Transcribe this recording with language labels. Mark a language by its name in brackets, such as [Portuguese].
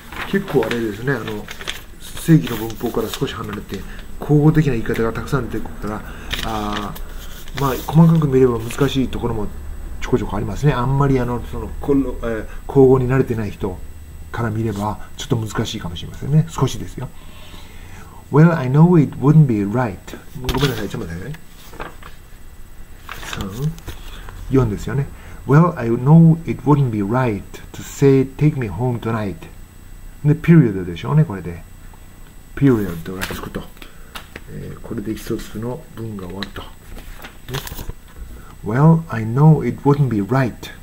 [Japanese] 結構あれですね、正規の文法から少し離れて口語的な言い方がたくさん出てくるから、まあ細かく見れば難しいところもちょこちょこありますね。あんまりその口語に慣れてない人から見ればちょっと難しいかもしれませんね。少しですよ。 [English] Well, I know it wouldn't be right. [Japanese] ごめんなさい、ちょっと待ってね。3、4ですよね。 [English] Well, I know it wouldn't be right to say take me home tonight. [Japanese] で、period でしょうね、これで。period がつくと。これで一つの文が終わると。ね、 [English] well, I know it wouldn't be right.